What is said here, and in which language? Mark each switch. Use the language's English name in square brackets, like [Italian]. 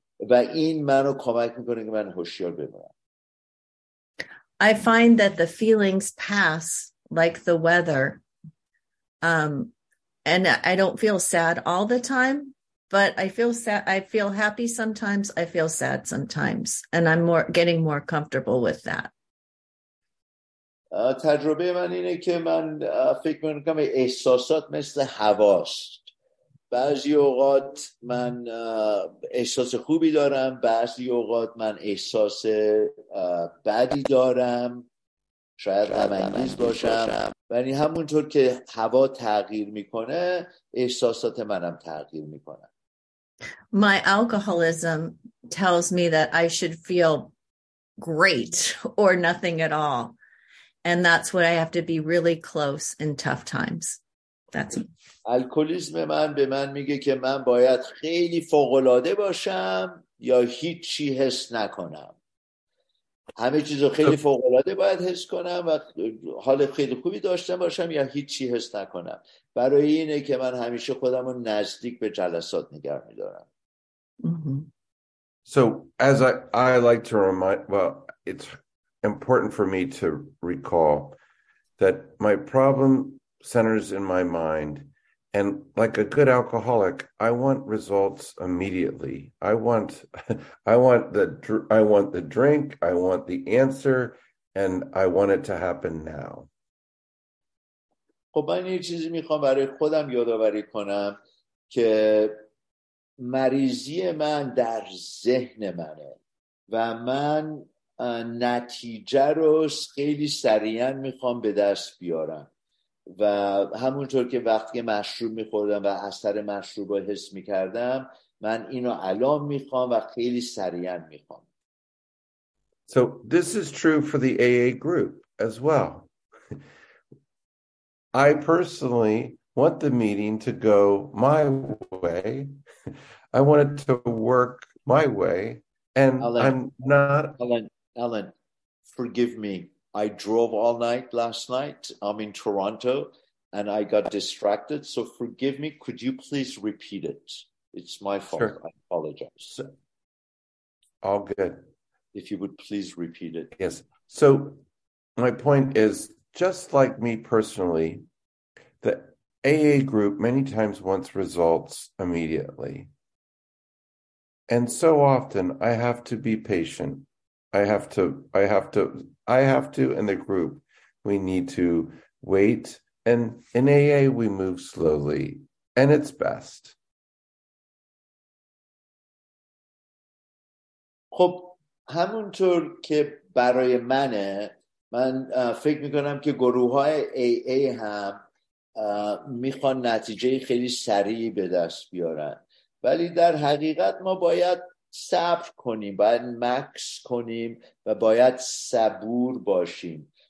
[Persian] و این منو کمک میکنه که من هوشیار بمونم. [English] I find that the feelings pass like the weather. And I don't feel sad all the time, but I feel sad. I feel happy sometimes. I feel sad sometimes, and I'm getting more comfortable with that. [Persian] تجربه من اینه که من فکر میکنم احساسات مثل هواست. بعضی اوقات من احساس خوبی دارم، بعضی اوقات من احساس بدی دارم. شاید غم‌انگیز باشم. یعنی همونطور که هوا تغییر میکنه، احساسات منم تغییر میکنن. [English] My alcoholism tells me that I should feel great or nothing at all. And that's what I have to be really close in tough times. That's it. [Persian] الکلیزم من به من میگه که من باید خیلی فوق‌العاده باشم یا هیچی حس نکنم. همه چیزو خیلی فوق‌العاده باید حس کنم و حال خیلی خوبی داشته باشم یا هیچی حس نکنم. برای اینه که من همیشه خودم رو نزدیک به جلسات نگه میدارم. [English] So as I like to remind, well, it's important for me to recall that my problem centers in my mind, and like a good alcoholic, I want results immediately. I want the drink, I want the answer, and I want it to happen now. [Persian] خب من یه چیزی میخوام برای خودم یادآوری کنم که مریضی من در ذهن منه و من نتیجه رو خیلی سریعا میخوام به دست بیارم. و همونطور که وقتی مشروب میخوردم و اثر مشروب رو حس میکردم، من اینو الان میخوام و خیلی سریعا میخوام. [English] So this is true for the AA group as well. I personally want the meeting to go my way. I want it to work my way. And Alan, I'm not... Ellen, forgive me. I drove all night last night. I'm in Toronto and I got distracted. So forgive me. Could you please repeat it? It's my fault. Sure. I apologize. All good. If you would please repeat it. Yes. So my point is, just like me personally, the AA group many times wants results immediately. And so often I have to be patient. I have to, and the group, we need to wait. And in AA, we move slowly, and it's best. [Persian] خب همونطور که برای منه، من فکر میکنم که گروه‌های AA هم میخوان نتیجه خیلی سریع به دست بیارن. ولی در حقیقت ما باید صبر کنیم، باید مکس کنیم و باید صبور باشیم.